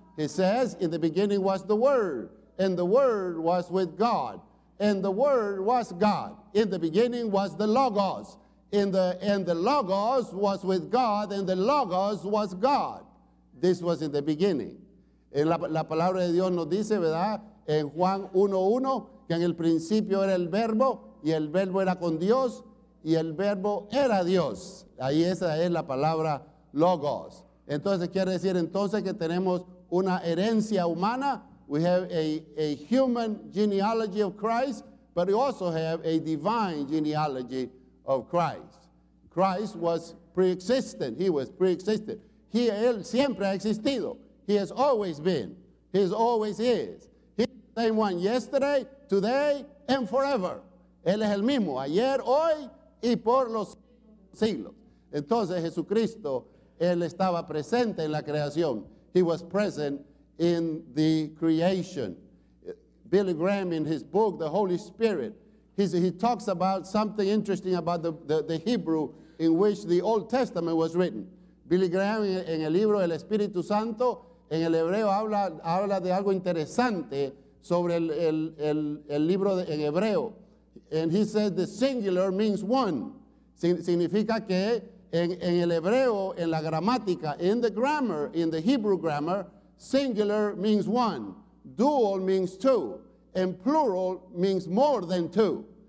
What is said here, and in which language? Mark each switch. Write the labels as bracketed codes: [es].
[en] He says, in the beginning was the Word, and the Word was with God, and the Word was God. In the beginning was the Logos, and the Logos was with God, and the Logos was God. This was in the beginning. [es] En la palabra de Dios nos dice, ¿verdad? En Juan 1:1, que en el principio era el Verbo, y el Verbo era con Dios, y el Verbo era Dios. Ahí esa es la palabra Logos. Entonces quiere decir entonces que tenemos una herencia humana. [en] We have a human genealogy of Christ, but we also have a divine genealogy of Christ. Christ was pre-existent. He was pre-existent. [es] Él siempre ha existido. [en] He has always been. He always is. He's the same one yesterday, today, and forever. [es] Él es el mismo ayer, hoy y por los siglos. Entonces Jesucristo, Él estaba presente en la creación. [en] He was present in the creation. Billy Graham, in his book, The Holy Spirit, he talks about something interesting about the Hebrew in which the Old Testament was written. [es] Billy Graham, en el libro El Espíritu Santo, en el hebreo, habla de algo interesante sobre el libro en hebreo. [en] And he says the singular means one. [es] Significa que en el hebreo, en la gramática, [en] in the grammar, in the Hebrew grammar, singular means one, dual means two, and plural means more than two.